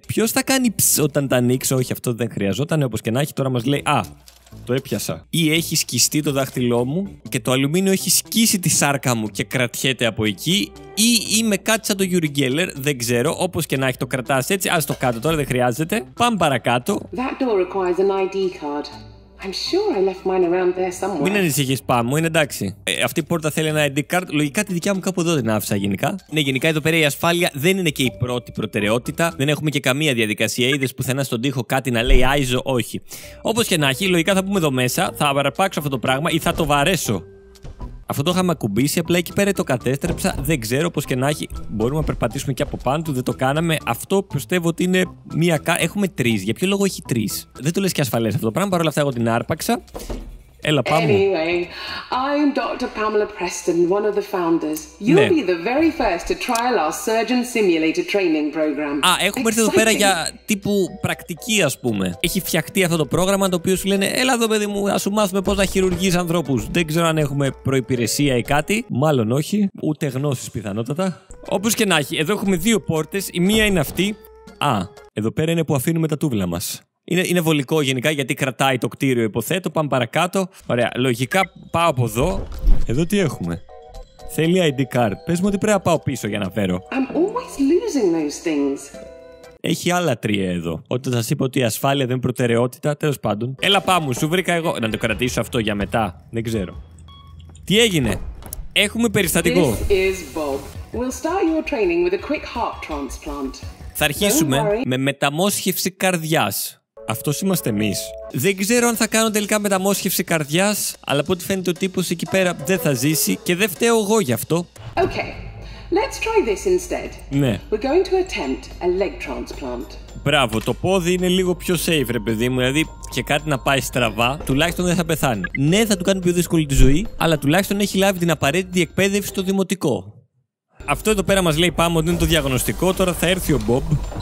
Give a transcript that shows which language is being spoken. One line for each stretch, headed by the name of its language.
Greek: Ποιος θα κάνει ψ όταν τα ανοίξω? Όχι, αυτό δεν χρειαζόταν. Όπως και να έχει, τώρα μας λέει, α, το έπιασα. Ή έχει σκιστεί το δάχτυλό μου και το αλουμίνιο έχει σκίσει τη σάρκα μου και κρατιέται από εκεί. Ή είμαι κάτι σαν το Yuri Geller, δεν ξέρω. Όπως και να έχει, το κρατάς έτσι. Ας το κάτω τώρα, δεν χρειάζεται. Πάμε παρακάτω.
English: That door requires an ID card. I'm sure I left mine around there somewhere.
Greek: Μην ανησυχείς πάμε μου, είναι εντάξει. Αυτή η πόρτα θέλει ένα ID card. Λογικά τη δικιά μου κάπου εδώ την άφησα γενικά. Ναι, γενικά εδώ πέρα η ασφάλεια δεν είναι και η πρώτη προτεραιότητα. Δεν έχουμε και καμία διαδικασία. Είδες πουθενά στον τοίχο κάτι να λέει ISO? Όχι. Όπως και να έχει, λογικά θα πούμε εδώ μέσα, θα αρπάξω αυτό το πράγμα ή θα το βαρέσω. Αυτό το είχαμε ακουμπήσει, απλά εκεί πέρα το κατέστρεψα. Δεν ξέρω, όπως και να έχει, μπορούμε να περπατήσουμε και από πάνω του. Δεν το κάναμε. Αυτό πιστεύω ότι είναι μία Έχουμε τρεις. Για ποιο λόγο έχει τρεις? Δεν το λες και ασφαλές αυτό το πράγμα. Παρ' όλα αυτά, εγώ την άρπαξα. Έλα, πάμε.
English: Anyway, I'm Dr. Pamela Preston, one of the founders. You'll be the very first to trial our surgeon simulator training program.
Greek: Α, έχουμε έρθει εδώ πέρα για τύπου πρακτική, ας πούμε. Έχει φτιαχτεί αυτό το πρόγραμμα, το οποίο σου λένε, έλα εδώ παιδί μου, ας σου μάθουμε πώς να χειρουργείς ανθρώπους. Δεν ξέρω αν έχουμε προϋπηρεσία ή κάτι. Μάλλον όχι, ούτε γνώσεις πιθανότατα. Όπως και να έχει, εδώ έχουμε δύο πόρτες, η μία είναι αυτή. Α, εδώ πέρα είναι που αφήνουμε τα τούβλα μας. Είναι βολικό γενικά γιατί κρατάει το κτίριο, υποθέτω. Πάμε παρακάτω. Ωραία, λογικά πάω από εδώ. Εδώ τι έχουμε? Θέλει ID card. Πες μου ότι πρέπει να πάω πίσω για να φέρω.
English: I'm always losing those things.
Greek: Έχει άλλα τρία εδώ. Όταν σας είπα ότι η ασφάλεια δεν είναι προτεραιότητα, τέλος πάντων. Έλα πάμε, σου βρήκα εγώ. Να το κρατήσω αυτό για μετά. Δεν ξέρω. Τι έγινε? Έχουμε περιστατικό.
English: This is Bob. We'll start your training with a quick heart transplant.
Greek: Θα αρχίσουμε με μεταμόσχευση καρδιάς. Αυτός είμαστε εμείς. Δεν ξέρω αν θα κάνω τελικά μεταμόσχευση καρδιάς, αλλά από ό,τι φαίνεται ο τύπος εκεί πέρα δεν θα ζήσει και δεν φταίω εγώ γι' αυτό.
English: Okay. Let's try this instead. Ναι. We're going to attempt a leg transplant.
Greek: Μπράβο, το πόδι είναι λίγο πιο safe, ρε παιδί μου. Δηλαδή, και κάτι να πάει στραβά, τουλάχιστον δεν θα πεθάνει. Ναι, θα του κάνει πιο δύσκολη τη ζωή, αλλά τουλάχιστον έχει λάβει την απαραίτητη εκπαίδευση στο δημοτικό. Αυτό εδώ πέρα μας λέει πάμε ότι είναι το διαγνωστικό, τώρα θα έρθει ο Bob.